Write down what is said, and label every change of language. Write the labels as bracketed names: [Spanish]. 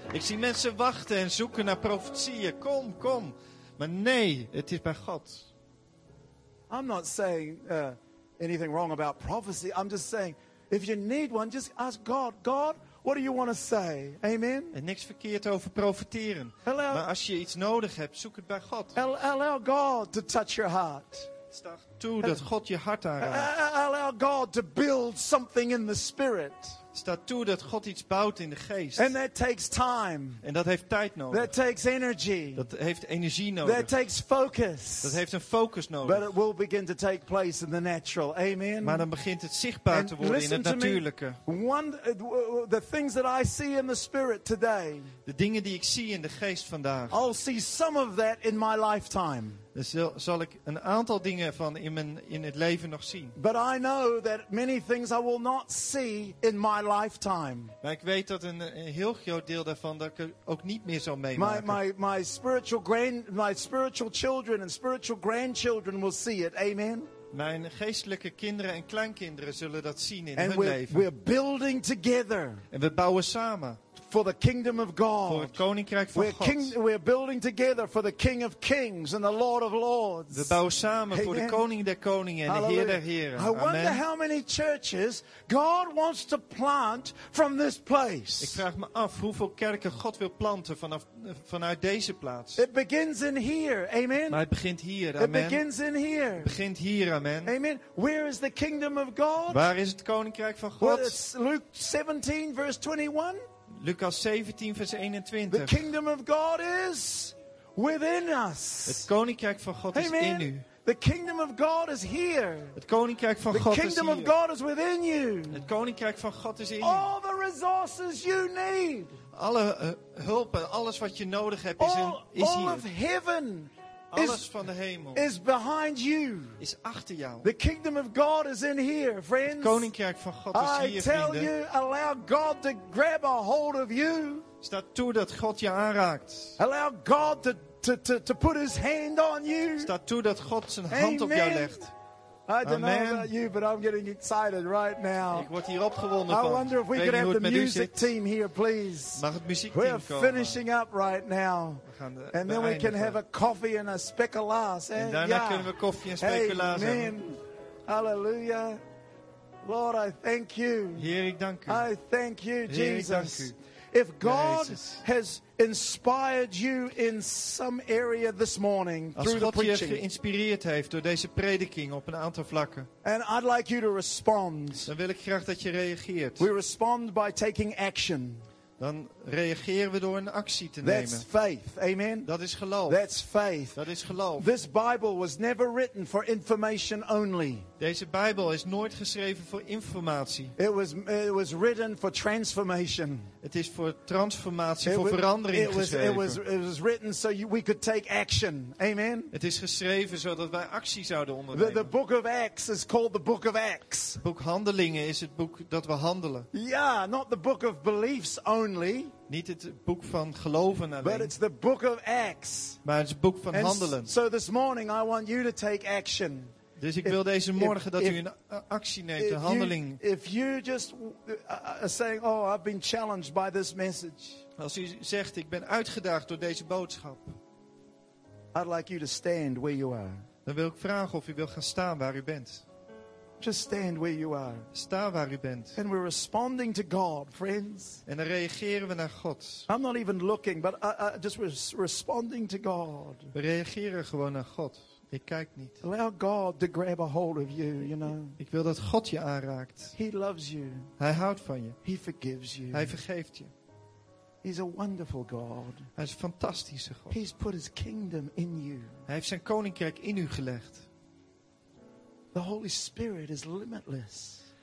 [Dutch] Ik zie mensen wachten en zoeken naar profetieën. Kom, kom. Maar nee, het is bij God. [English] I'm not saying anything wrong about prophecy. I'm just saying, if you need one, just ask God. God, what do you want to say? Amen? [Dutch] En niks verkeerd over profeteren. Maar als je iets nodig hebt, zoek het bij God. [English] Allow God to touch your heart. [Dutch] toe dat God je hart aanraakt. [English] Allow God to build something in the spirit. [Dutch] Sta toe dat God iets bouwt in de geest. [English] And that takes time. [Dutch] En dat heeft tijd nodig. [English] That takes energy. [Dutch] Dat heeft energie nodig. [English] That takes focus. [Dutch] Dat heeft een focus nodig. [English] But it will begin to take place in the natural. Amen. [Dutch] Maar dan begint het zichtbaar te worden in het natuurlijke. [English] The things that I see in the spirit today. [Dutch] De dingen die ik zie in de geest vandaag. [English] I'll see some of that in my lifetime. [Dutch] Dus zal ik een aantal dingen van in het leven nog zien. [English] But I know that many things I will not see in my lifetime. [Dutch] Maar ik weet dat een heel groot deel daarvan dat ik ook niet meer zal meemaken. [English] My spiritual children and spiritual grandchildren will see it. Amen. [Dutch] Mijn geestelijke kinderen en kleinkinderen zullen dat zien in [English] and [Dutch] hun leven. [English] We're building together. [Dutch] En we bouwen samen. [English] For the kingdom of God. [Dutch] Voor het koninkrijk van God. [English] We're building together for the King of Kings and the Lord of Lords. [Dutch] We bouwen samen voor de koning der koningen en de heer der heren. [English] I wonder how many churches God wants to plant from this place. [Dutch] Ik vraag me af hoeveel kerken God wil planten vanuit deze plaats. [English] It begins in here. Amen. [Dutch] Maar het begint hier. Amen. [English] It begins in here. [Dutch] Het begint hier. Amen. Amen. [English] Where is the kingdom of God? [Dutch] Waar is het koninkrijk van God? [English] Well, it's Luke 17 verse 21. [Dutch] Lucas 17 vers 21. [English] The kingdom of God is within us. [Dutch] Het koninkrijk van God is Amen. In u. [English] The kingdom of God is here. [Dutch] Het koninkrijk van [English] the [Dutch] God is hier. [English] The kingdom of God is within you. [Dutch] Het koninkrijk van God is in [English] All [Dutch] u. [English] All the resources you need. [Dutch] Alle hulpen, alles wat je nodig hebt is hier. [English] All of heaven. [Dutch] Alles van de hemel [English] is behind you. [Dutch] Is achter jou. [English] The kingdom of God is in here, friends. [Dutch] Het koninkrijk van God is hier, vrienden. [English] I tell you, allow God to grab a hold of you. [Dutch] Sta toe dat God je aanraakt. [English] Allow God to put his hand on you. [Dutch] Sta toe dat God zijn hand Amen. Op jou legt. [English] I don't Amen. Know about you, but I'm getting excited right now. [Dutch] Ik word hier opgewonden van. [English] I wonder if we could have the music team here, please. [Dutch] Mag het muziekteam [English] We're [Dutch] komen? [English] We're finishing up right now. And then we can have a coffee and a speculaas. [Dutch] En daarna ja. kunnen we koffie en speculaas Amen. Hebben. [English] Hallelujah. Lord, I thank you. [Dutch] Heer, ik dank u. [English] I thank you, Jesus. [Dutch] Heer, ik dank u. [English] If God Jezus. Has inspired you in some area this morning [Dutch] Als [English] through [Dutch] God [English] the preaching, [Dutch] je geïnspireerd heeft door deze prediking op een aantal vlakken, [English] and I'd like you to respond. [Dutch] Dan wil ik graag dat je reageert. [English] We respond by taking action. [Dutch] Dan reageren we door een actie te [English] That's [Dutch] nemen. [English] That's faith. Amen. [Dutch] Dat is geloof. [English] That's faith. [Dutch] Dat is geloof. [English] This Bible was never written for information only. [Dutch] Deze Bijbel is nooit geschreven voor informatie. [English] It was written for transformation. [Dutch] Het is voor transformatie, voor verandering geschreven. [English] It was written so we could take action. Amen. [Dutch] Het is geschreven zodat wij actie zouden ondernemen. [English] The book of Acts is called the book of Acts. [Dutch] Het boek Handelingen is het boek dat we handelen. [English] Yeah, not the book of beliefs only. [Dutch] Niet het boek van geloven alleen. [English] But it's the book of Acts. [Dutch] Maar het is het boek van [English] And [Dutch] handelen. [English] So this morning I want you to take action. [Dutch] Dus ik wil deze morgen dat u een actie neemt, een handeling. [English] If you just saying, oh, I've been challenged by this message. [Dutch] Als u zegt, ik ben uitgedaagd door deze boodschap. [English] I'd like you to stand where you are. [Dutch] Dan wil ik vragen of u wil gaan staan waar u bent. [English] Just stand where you are. [Dutch] Sta waar u bent. [English] And we're responding to God, friends. [Dutch] En dan reageren we naar God. [English] I'm not even looking, but I just was responding to God. [Dutch] We reageren gewoon naar God. Ik kijk niet. [English] Allow God to grab a hold of you, you know. [Dutch] Ik wil dat God je aanraakt. [English] He loves you. [Dutch] Hij houdt van je. [English] He forgives you. [Dutch] Hij vergeeft je. [English] He's a wonderful God. [Dutch] Hij is een fantastische God. [English] He's put his kingdom in you. [Dutch] Hij heeft zijn koninkrijk in u gelegd. [English] The Holy Spirit is limitless.